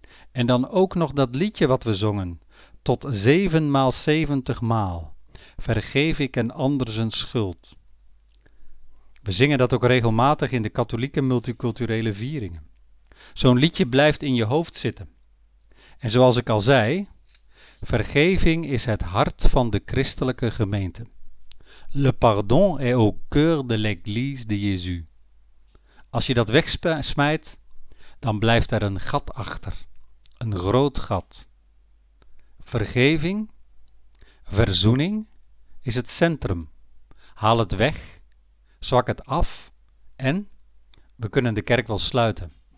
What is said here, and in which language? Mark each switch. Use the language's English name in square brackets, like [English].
[Dutch] En dan ook nog dat liedje wat we zongen. Tot 7 maal 70 maal vergeef ik een ander zijn schuld. We zingen dat ook regelmatig in de katholieke multiculturele vieringen. Zo'n liedje blijft in je hoofd zitten. En zoals ik al zei, vergeving is het hart van de christelijke gemeente. [French] Le pardon est au cœur de l'église de Jésus. [Dutch] Als je dat wegsmijt, dan blijft er een gat achter. Een groot gat. Vergeving, verzoening, is het centrum. Haal het weg, zwak het af en we kunnen de kerk wel sluiten.